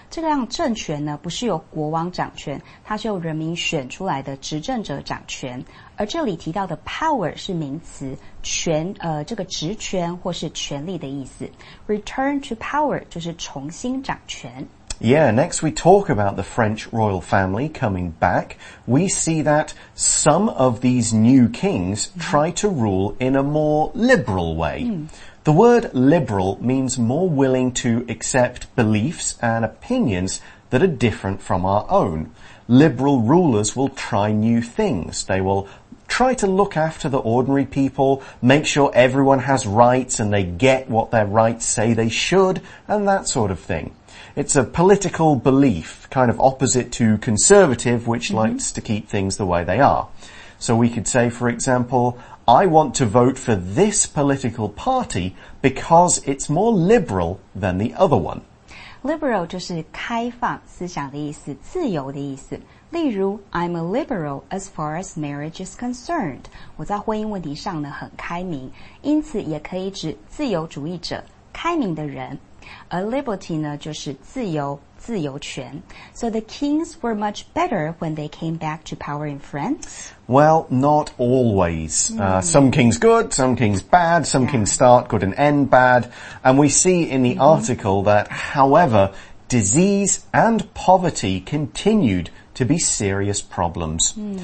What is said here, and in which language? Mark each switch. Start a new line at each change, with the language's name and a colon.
Chinese: 这个样政权呢不是由国王掌权它是由人民选出来的执政者掌权。而这里提到的 power 是名词权这个职权或是权力的意思。
English: Return to power
Chinese: 就是重新掌权。
English: Yeah, next we talk about the French royal family coming back. We see that some of these new kings try to rule in a more liberal way. The word liberal means more willing to accept beliefs and opinions that are different from our own. Liberal rulers will try new things. They will try to look after the ordinary people, make sure everyone has rights and they get what their rights say they should, and that sort of thing. It's a political belief, kind of opposite to conservative, which likes to keep things the way they are. So we could say, for example, I want to vote for this political party because it's more liberal than the other one.
Chinese: Liberal 就是开放思想的意思，自由的意思。例如
English: I'm a liberal as far as marriage is concerned.
Chinese: 我在婚姻问题上呢很开明，因此也可以指自由主义者，开明的人。而 liberty 呢就是自由自由权。
English: So the kings were much better when they came back to power in France? Well, not always. Some kings good, some kings bad, some kings start good and end bad. And we see in the article that, however, disease and poverty continued to be serious problems.